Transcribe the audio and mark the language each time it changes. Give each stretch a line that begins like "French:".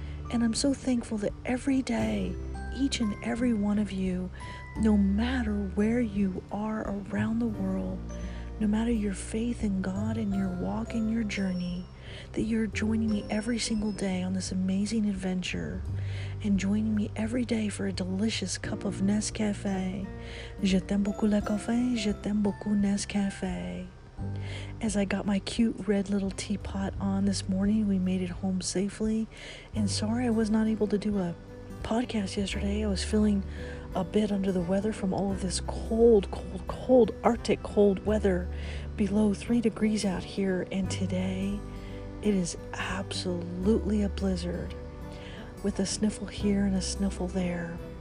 English: And I'm so thankful that every day, each and every one of you, no matter where you are around the world, no matter your faith in God and your walk and your journey, that you're joining me every single day on this amazing adventure and joining me every day for a delicious cup of Nescafe.
French: Je t'aime beaucoup le café, je t'aime beaucoup Nescafe.
English: As I got my cute red little teapot on this morning, we made it home safely. And sorry I was not able to do a podcast yesterday. I was feeling a bit under the weather from all of this cold Arctic cold weather, below 3 degrees out here, and today it is absolutely a blizzard with a sniffle here and a sniffle there.